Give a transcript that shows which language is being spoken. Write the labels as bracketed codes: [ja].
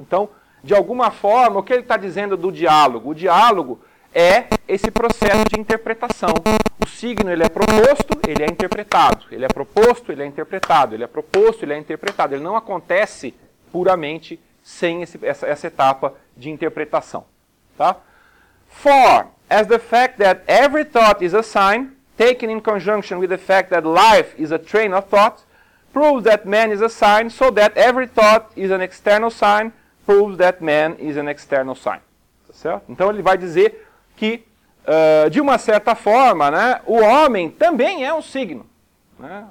[pt] Então, de alguma forma, o que ele está dizendo do diálogo? O diálogo é esse processo de interpretação. O signo ele é proposto, ele é interpretado. Ele é proposto, ele é interpretado. Ele é proposto, ele é interpretado. Ele não acontece puramente sem essa etapa de interpretação. Tá? [en] "For, as the fact that every thought is a sign, taken in conjunction with the fact that life is a train of thought, proves that man is a sign, so that every thought is an external sign, proves that man is an external sign." [pt] Tá certo? Então ele vai dizer que, de uma certa forma, né, o homem também é um signo. Né?